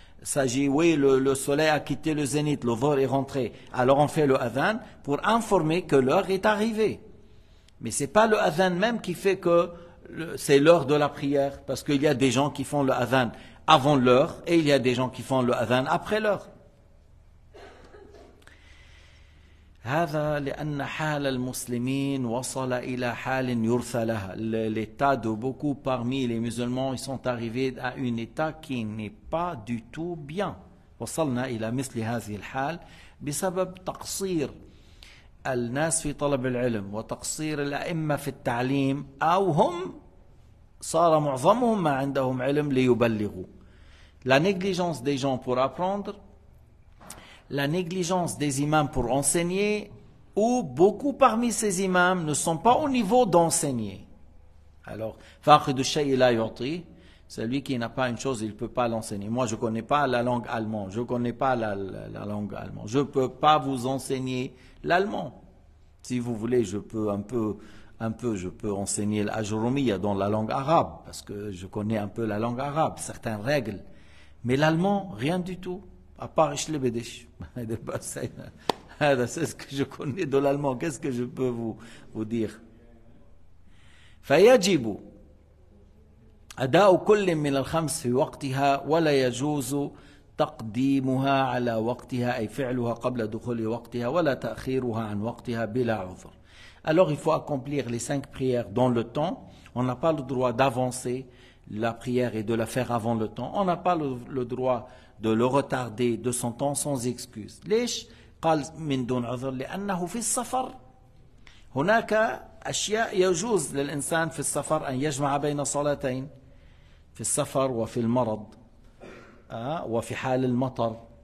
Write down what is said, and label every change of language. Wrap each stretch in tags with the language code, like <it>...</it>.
<fr>S'agit, oui, le soleil a quitté le zénith, le vol est rentré. Alors on fait le adhan pour informer que l'heure est arrivée. Mais ce n'est pas le adhan même qui fait que c'est l'heure de la prière, parce qu'il y a des gens qui font le adhan avant l'heure et il y a des gens qui font le adhan après l'heure.</fr> <ar>هذا لأن حال المسلمين وصل إلى حال يرثى لها.</ar> <fr>L'état de beaucoup parmi les musulmans, ils sont arrivés à un état qui n'est pas du tout bien.</fr> <ar>وصلنا إلى مثل هذه الحال بسبب تقصير الناس في طلب العلم وتقصير الأئمة في التعليم أو هم صار معظمهم ما عندهم علم ليبلغوا.</ar> <fr>La négligence des gens pour apprendre, la négligence des imams pour enseigner, ou beaucoup parmi ces imams ne sont pas au niveau d'enseigner. Alors,</fr> <ar>فاقد الشيء لا يعطي,</ar> <fr>celui qui n'a pas une chose, il ne peut pas l'enseigner. Moi, je ne connais pas la langue allemande. Je ne connais pas la langue allemande. Je ne peux pas vous enseigner l'allemand. Si vous voulez, je peux un peu enseigner l'ajromiya dans la langue arabe, parce que je connais un peu la langue arabe, certaines règles. Mais l'allemand, rien du tout. À part Schlebedisch, c'est ce que je connais de l'allemand. Qu'est-ce que je peux vous dire?</fr> <ar>فيجب أداء كل من الخمس في وقتها ولا يجوز تقديمها على وقتها أي فعلها قبل دخول وقتها ولا تأخيرها عن وقتها بلا عذر.</ar> <fr>Alors il faut accomplir les cinq prières dans le temps. On n'a pas le droit d'avancer la prière et de la faire avant le temps. On n'a pas le droit de le retarder de son temps sans excuse.</fr> <ar>ليش قال من دون عذر لأنه في السفر هناك أشياء يجوز للإنسان في السفر أن يجمع بين صلاتين في السفر وفي المرض وفي حال المطر.</ar>